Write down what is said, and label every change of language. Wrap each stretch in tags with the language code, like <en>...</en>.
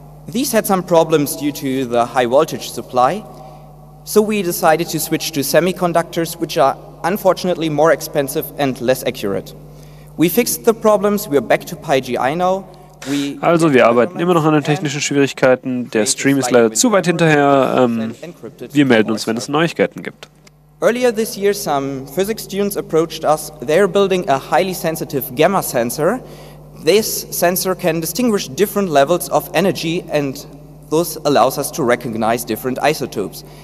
<en>These had some problems due to the high voltage supply. So we decided to switch to semiconductors, which are unfortunately more expensive and less accurate. We fixed the problems, we are back to PiGi now.</en> <de>Also, wir arbeiten immer noch an den technischen Schwierigkeiten. Der Stream ist leider zu weit hinterher. Wir melden uns, wenn es Neuigkeiten gibt.</de> <en>Earlier this year, some physics students approached us. They're building a highly sensitive gamma sensor. This sensor can distinguish different levels of energy and thus allows us to recognize different isotopes.</en>